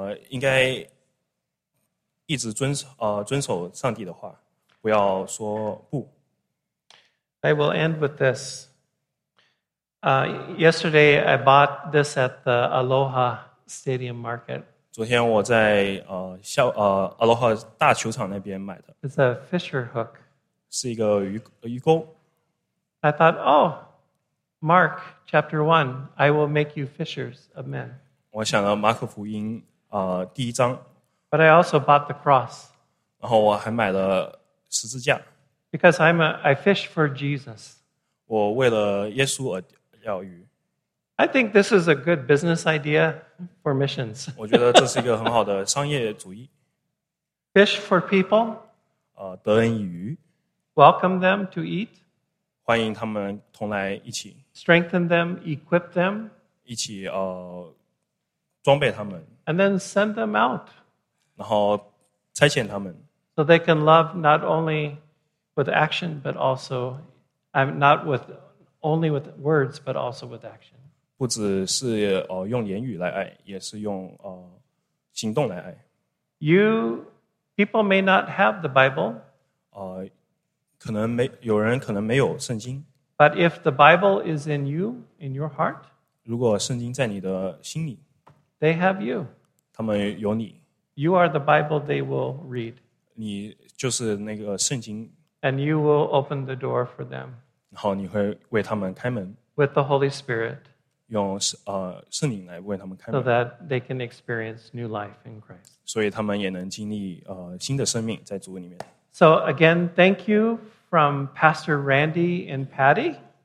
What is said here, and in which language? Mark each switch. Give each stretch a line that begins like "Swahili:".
Chinese: 应该一直遵守上帝的话，不要说不。
English: I will end with this. Yesterday, I bought this at the Aloha Stadium Market.
Chinese: 昨天我在Aloha 大球场那边买的。
English: It's a fisher hook.
Chinese: 是一个鱼钩。
English: I thought, oh, Mark chapter 1, I will make you fishers of men.
Chinese: 我想了马可福音第一章。
English: But I also bought the cross.
Chinese: 然后我还买了十字架。
English: Because I fish for Jesus.
Chinese: 我为了耶稣而钓鱼。
English: I think this is a good business idea for missions.
Chinese: 我觉得这是一个很好的商业主意。
English: Fish for people.
Chinese: 得人以渔。
English: Welcome them to eat.
Chinese: 欢迎他们同来一起。
English: Strengthen them, equip them.
Chinese: 一起装备他们。
English: And then send them out.
Chinese: 然后差遣他们。
English: So they can love not only... With action, but also, not with only with words, but also with action.
Chinese: 不只是用言语来爱，也是用行动来爱。
English: You people may not have the Bible.
Chinese: 可能没有人可能没有圣经。
English: But if the Bible is in you, in your heart,
Chinese: 如果圣经在你的心里
English: they have you.
Chinese: 他们有你。
English: You are the Bible they will read.
Chinese: 你就是那个圣经。
English: And you will open the door for them.
Chinese: 然后你会为他们开门。
English: With the Holy Spirit.
Chinese: 用圣灵来为他们开门。
English: So that they can experience new life in Christ.
Chinese: 所以他们也能经历新的生命在主里面。
English: So again, thank you from Pastor Randy and Patty.